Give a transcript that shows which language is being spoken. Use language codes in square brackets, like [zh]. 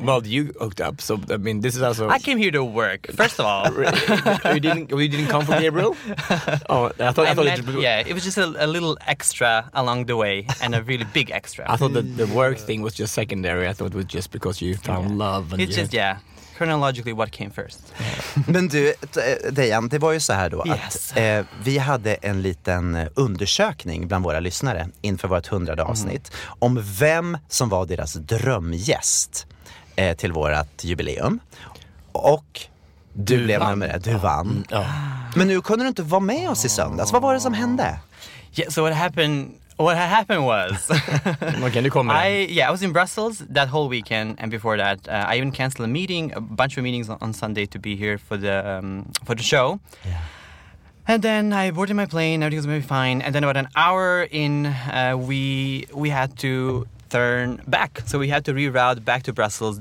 [en] Well, you hooked up, so I mean, this is also... I came here to work, first of all. we didn't come from Gabriel? Oh, I thought yeah, it was just a little extra along the way and a really big extra. I thought that the work thing was just secondary. I thought it was just because you found love. And it's just, yeah. Chronologically, what came first? [sv] Men du, Dejan, det var ju så här då. [en] Yes. [sv] Att, vi hade en liten undersökning bland våra lyssnare inför vårt 100:e avsnitt om vem som var deras drömgäst till vårt jubileum. Och du blev vann. Nummer ett. Du vann. Ja. Men nu kunde du inte vara med oss i söndags. Vad var det som hände? [en] Yeah, so what happened was, okay, you come I was in Brussels that whole weekend, and before that, I even canceled a bunch of meetings on Sunday to be here for the show. Yeah. And then I boarded my plane, everything was gonna be fine, and then about an hour in, we had to turn back, so we had to reroute back to Brussels.